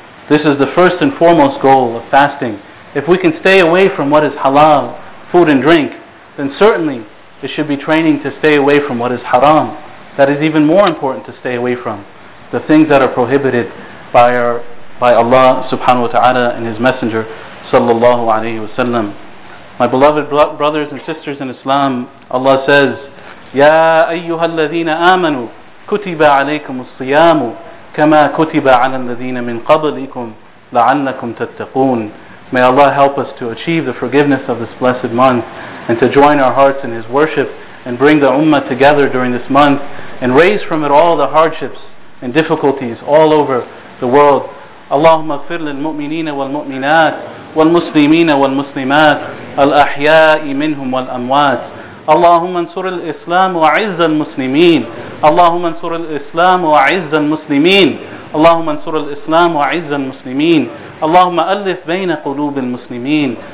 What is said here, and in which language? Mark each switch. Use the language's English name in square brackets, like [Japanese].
[English] This is the first and foremost goal of fasting. If we can stay away from what is halal, food and drink, then certainly it should be training to stay away from what is haram. That is even more important to stay away from, the things that are prohibited by Allah subhanahu wa ta'ala and His Messenger sallallahu alayhi wa sallam. My beloved brothers and sisters in Islam, Allah says, [Arabic] يَا أَيُّهَا الَّذِينَ آمَنُوا كُتِبَ عَلَيْكُمُ الصِّيَامُ كَمَا كُتِبَ عَلَى الَّذِينَ مِنْ قَبْلِكُمْ لَعَلَّكُمْ تَتَّقُونَ. [English] May Allah help us to achieve the forgiveness of this blessed month and to join our hearts in His worship and bring the Ummah together during this month and raise from it all the hardships and difficulties all over the world. [Arabic] اللهم اغفر للمؤمنين والمؤمنات والمسلمين والمسلمات الأحياء منهم والأموات. اللهم انصر الإسلام وعز المسلمين. اللهم انصر الإسلام وعز المسلمين. اللهم انصر الإسلام وعز المسلمين. اللهم ألف بين قلوب المسلمين.